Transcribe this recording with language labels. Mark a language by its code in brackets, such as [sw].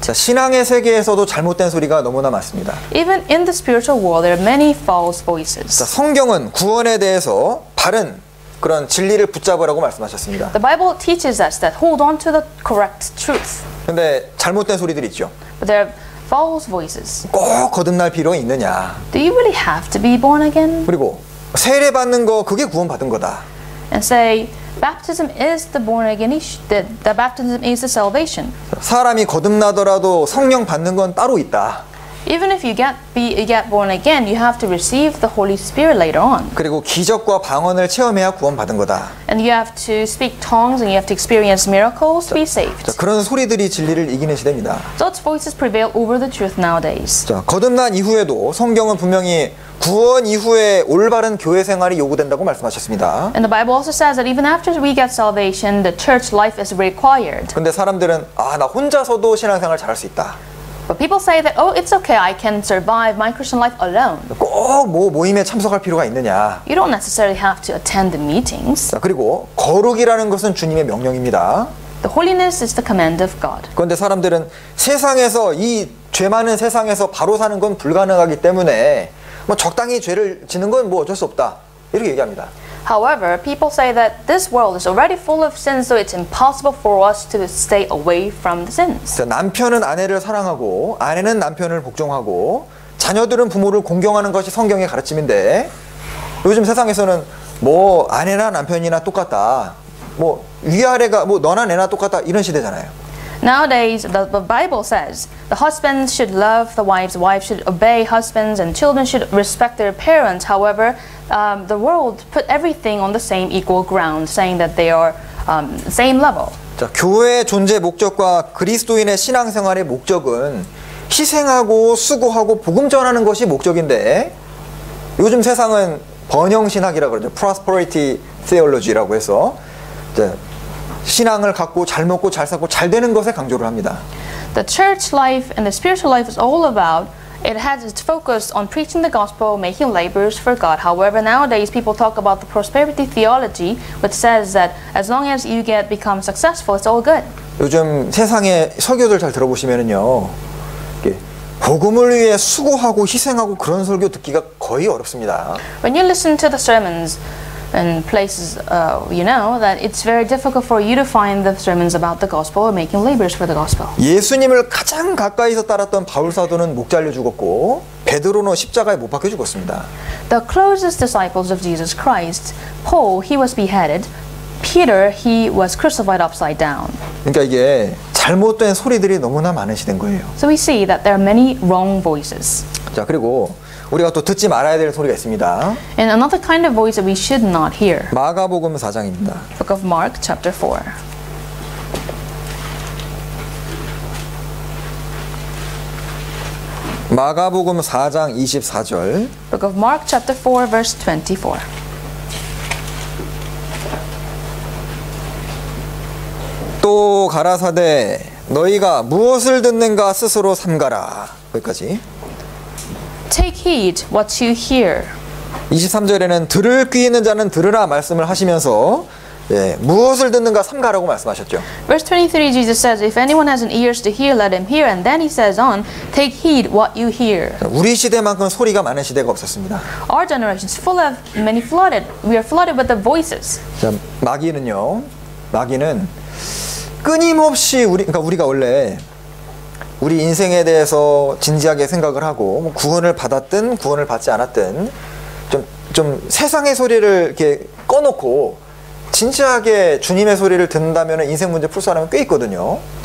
[ko] 자, 신앙의 세계에서도 잘못된 소리가 너무나 많습니다. [en] Even in the spiritual world there are many false voices. [ko] 자, 성경은 구원에 대해서 바른 그런 진리를 붙잡으라고 말씀하셨습니다. [en] The Bible teaches us that hold on to the correct truth. [ko] 근데 잘못된 소리들이 있죠. [en] But there are false voices. [ko] 꼭 거듭날 필요 있느냐? [en] Do you really have to be born again? [ko] 그리고 세례 받는 거 그게 구원 받은 거다. [en] And say baptism is the born again issue. The baptism is the salvation. [ko] 사람이 거듭나더라도 성령 받는 건 따로 있다. [en] Even if you get born again, you have to receive the Holy Spirit later on. [ko] 그리고 기적과 방언을 체험해야 구원 받은 거다. [en] And you have to speak tongues and you have to experience miracles to be saved. [ko] 자, 그런 소리들이 진리를 이기는 시대입니다. [en] Such voices prevail over the truth nowadays. [ko] 자, 거듭난 이후에도 성경은 분명히 구원 이후에 올바른 교회 생활이 요구된다고 말씀하셨습니다. [en] And the Bible also says that even after we get salvation, the church life is required. [ko] 근데 사람들은 아, 나 혼자서도 신앙생활 잘할 수 있다. [en] But people say that, oh, it's okay, I can survive my Christian life alone. [ko] 꼭 뭐 모임에 참석할 필요가 있느냐? [en] You don't necessarily have to attend the meetings. [ko] 자, 그리고 거룩이라는 것은 주님의 명령입니다. [en] The holiness is the command of God. [ko] 그런데 사람들은 세상에서 이 죄 많은 세상에서 바로 사는 건 불가능하기 때문에 뭐 적당히 죄를 지는 건 뭐 어쩔 수 없다 이렇게 얘기합니다. [en] However, people say that this world is already full of sins, so it's impossible for us to stay away from the sins. [ko] 남편은 아내를 사랑하고 아내는 남편을 복종하고 자녀들은 부모를 공경하는 것이 성경의 가르침인데 요즘 세상에서는 뭐 아내나 남편이나 똑같다, 뭐 위아래가 뭐 너나 내나 똑같다 이런 시대잖아요. [en] Nowadays, the Bible says the husbands should love the wives, wives should obey husbands, and children should respect their parents. However, the world put everything on the same equal ground, saying that they are same level. [ko] 자, 교회의 존재 목적과 그리스도인의 신앙생활의 목적은 희생하고 수고하고 복음 전하는 것이 목적인데 요즘 세상은 번영 신학이라고 그러죠. Prosperity theology라고 해서 이제 신앙을 갖고 잘 먹고 잘 살고 잘 되는 것에 강조를 합니다. [en] The church life and the spiritual life is all about it has its focus on preaching the gospel, making laborers for God. However, nowadays people talk about the prosperity theology which says that as long as you get become successful, it's all good. [ko] 요즘 세상에 설교들 잘 들어보시면은요. 복음을 위해 수고하고 희생하고 그런 설교 듣기가 거의 어렵습니다. [en] When you listen to the sermons in places, you know that it's very difficult for you to find the sermons about the gospel or making labors for the gospel. [ko] 예수님을 가장 가까이서 따랐던 바울 사도는 목 잘려 죽었고 베드로는 십자가에 못 박혀 죽었습니다. [en] The closest disciples of Jesus Christ, Paul, he was beheaded. Peter, he was crucified upside down. [ko] 그러니까 이게 잘못된 소리들이 너무나 많으시는 거예요. [en] So we see that there are many wrong voices. [ko] 자, 그리고 우리가 또 듣지 말아야 될 소리가 있습니다. [en] And another kind of voice that we should not hear. [ko] 마가복음 4장입니다. [en] Book of Mark chapter 4. [ko] 마가복음 4장 24절. [en] Book of Mark chapter 4 verse 24. [ko] 또 가라사대 너희가 무엇을 듣는가 스스로 삼가라. 여기까지. [en] Take heed what you hear. [ko] 23절에는 들을 귀 있는 자는 들으라 말씀을 하시면서 예, 무엇을 듣는가 삼가라고 말씀하셨죠. [en] Verse 23 Jesus says if anyone has an ears to hear let him hear and then he says on take heed what you hear. [ko] 우리 시대만큼 소리가 많은 시대가 없었습니다. [en] Our generation is full of many flooded. We are flooded with the voices. [ko] 자, 마귀는요. 마귀는 끊임없이 그러니까 우리가 원래 우리 인생에 대해서 진지하게 생각을 하고 뭐 구원을 받았든 구원을 받지 않았든 좀 세상의 소리를 이렇게 꺼놓고 진지하게 주님의 소리를 듣는다면 인생 문제 풀 사람이 꽤 있거든요.